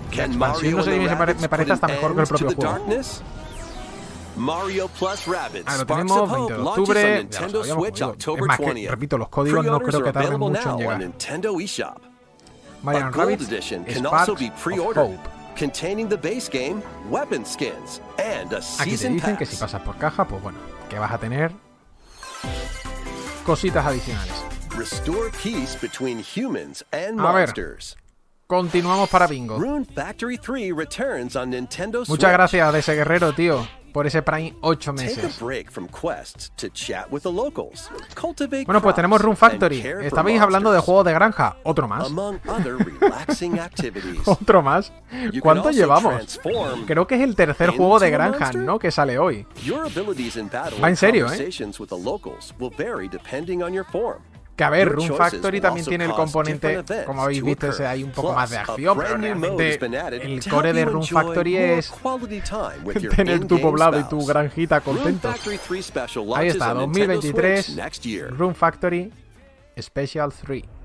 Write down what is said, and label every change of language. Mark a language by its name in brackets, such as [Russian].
[Spanish] La expansión, no sé si me parece hasta mejor que el propio juego. Mario plus Rabbids. Ahora tenemos 20 de octubre. Ya lo sabíamos, es más que, repito, los códigos no creo que tarden mucho en llegar. Mario Rabbids Sparks of Hope. [English] Containing the base game, weapon skins, and a season pass. [Spanish] Aquí te dicen que si pasas por caja, pues bueno, que vas a tener cositas adicionales. [English] Restore peace between humans and monsters. [Spanish] Continuamos para bingo. [English] Rune Factory 3 returns on Nintendo Switch. [Spanish] Muchas gracias a ese guerrero, tío. Por ese Prime 8 meses. [English] Take a break from quests to chat with the locals. Cultivate [Spanish] bueno, pues tenemos Rune Factory. Estabais hablando [English] monsters. [Spanish] De juegos de granja. Otro más. [English] Among other relaxing activities. [Spanish] Otro más. ¿Cuánto llevamos? Creo que es el tercer juego de granja, ¿no? Que sale hoy. [English] Your abilities in battle [Spanish] va en serio, ¿eh? [English] Conversations with the locals will vary depending on your form. [Spanish] Que a ver, Rune Factory también tiene el componente, como habéis visto, ese hay un poco más de acción, pero realmente el core de Rune Factory es tener tu poblado y tu granjita contentos. Ahí está, 2023, Rune Factory Special 3.